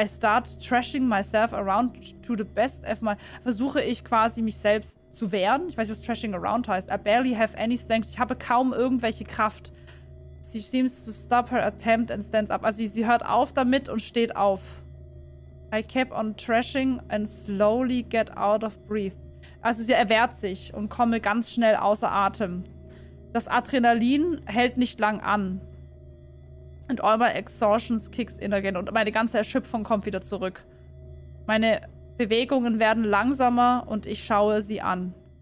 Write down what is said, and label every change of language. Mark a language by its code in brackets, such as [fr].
[en] I start thrashing myself around to the best of my. [de] Versuche ich quasi mich selbst zu wehren. Ich weiß nicht, was thrashing around heißt. [en] I barely have any strength. [de] Ich habe kaum irgendwelche Kraft. [en] She seems to stop her attempt and stands up. [de] Also sie hört auf damit und steht auf. [en] I kept on thrashing and slowly get out of breath. [de] Also sie erwehrt sich und komme ganz schnell außer Atem. Das Adrenalin hält nicht lang an. [en] And all my exhaustions kicks in again. [de] Und meine ganze Erschöpfung kommt wieder zurück. Meine Bewegungen werden langsamer und ich schaue sie an.